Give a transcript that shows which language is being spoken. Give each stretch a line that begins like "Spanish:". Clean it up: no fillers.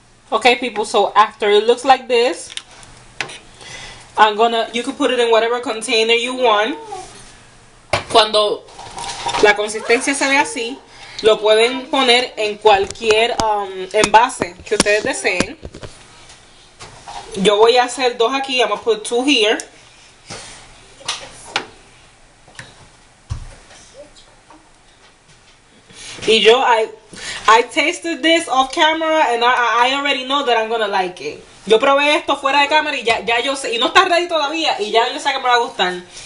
English: Okay, people, so after it looks like this, you can put it in whatever container you want.
Spanish: Cuando la consistencia se ve así, lo pueden poner en cualquier envase que ustedes deseen. Yo voy a hacer dos aquí.
English: I'm gonna put two here.
Spanish: Y yo,
English: I tasted this off camera and I already know that I'm gonna like it.
Spanish: Yo probé esto fuera de cámara y ya yo sé. Y no está ready todavía y ya yo sé que me va a gustar.